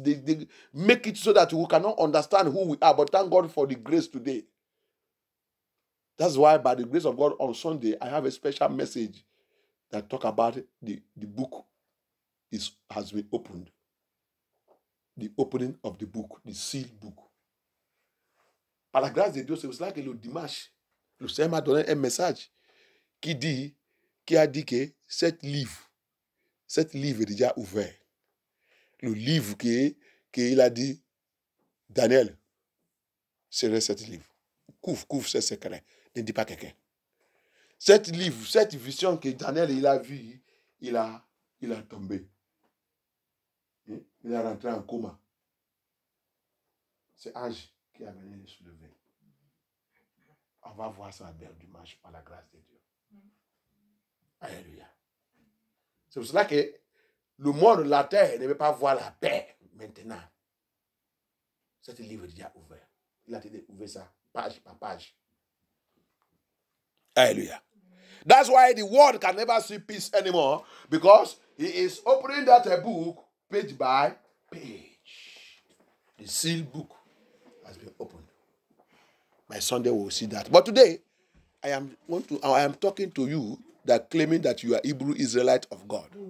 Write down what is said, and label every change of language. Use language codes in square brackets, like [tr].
[en] They make it so that we cannot understand who we are. But thank God for the grace today. That's why by the grace of God on Sunday, I have a special message that talk about the book has been opened. The opening of the book, the sealed book. [fr] Par la grâce de Dieu, c'est cela que le dimanche, le Seigneur m'a donné un message qui dit, qui a dit que cet livre est déjà ouvert. Le livre qu'il a dit, Daniel, serait cet livre. Couvre ce secret. Ne dis pas quelqu'un. Cet livre, cette vision que Daniel il a vue, il a tombé. Il est rentré en coma. C'est Ange qui a venu le soulever. On va voir ça dès dimanche par la grâce de Dieu. Alléluia. C'est pour cela que le monde, la terre, ne veut pas voir la paix maintenant. Cet livre est déjà ouvert. Il a été ouvert ça, page par page. Alléluia. [en] That's why the world can never see peace anymore because he is opening that book page by page. The sealed book has been opened. My Sunday will see that. But today, I am talking to you that claiming that you are Hebrew Israelite of God.